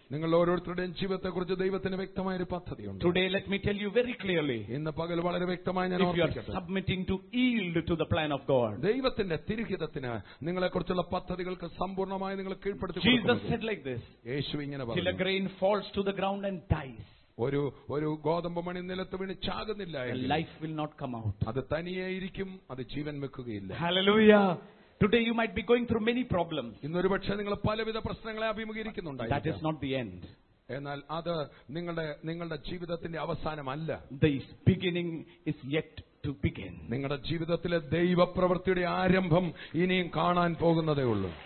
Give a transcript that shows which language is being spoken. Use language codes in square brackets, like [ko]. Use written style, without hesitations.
[ml] നിങ്ങൾ ഓരോരുത്തരുടെയും ജീവിതത്തെ കുറിച്ച് ദൈവത്തിന് വ്യക്തമായ ഒരു പദ്ധതിയുണ്ട്. [en] Today let me tell you very clearly. [ml] ഇന്ന് പകൽ വളരെ വ്യക്തമായി ഞാൻ ഓർമ്മിപ്പിക്കട്ടെ. [en] If you are submitting to yield to the plan of God. [ml] ദൈവത്തിന്റെ തിരുഹിതത്തിന് നിങ്ങളെ കുറിച്ചുള്ള പദ്ധതികൾക്ക് സമ്പൂർണ്ണമായി നിങ്ങൾ കീഴ്പ്പെടുത്തുക. [en] Jesus said like this. [ml] യേശു ഇങ്ങനെ പറഞ്ഞു. [en] Till a grain falls to the ground and dies. [ml] ഒരു ഒരു ഗോതമ്പ് മണി നിലത്ത് വീണ് ചാകുന്നില്ല. [en] Life will not come out. [ml] അത് തനിയേ ഇരിക്കും. അത് ജീവൻ വെക്കുകയില്ല. [en] Hallelujah. Today you might be going through many problems. [ml] ഇന്നൊരു പക്ഷേ നിങ്ങൾ പലവിധ പ്രശ്നങ്ങളെ അഭിമുഖീകരിക്കുന്നുണ്ടായിരിക്കും. [en] That is not the end. [ml] എന്നാൽ അത് നിങ്ങളുടെ ജീവിതത്തിന്റെ അവസാനമല്ല. [en] The beginning is yet to begin. [ml] നിങ്ങളുടെ ജീവിതത്തിലെ ദൈവപ്രവൃത്തിയുടെ ആരംഭം ഇനിയും കാണാൻ പോകുന്നതേ ഉള്ളൂ.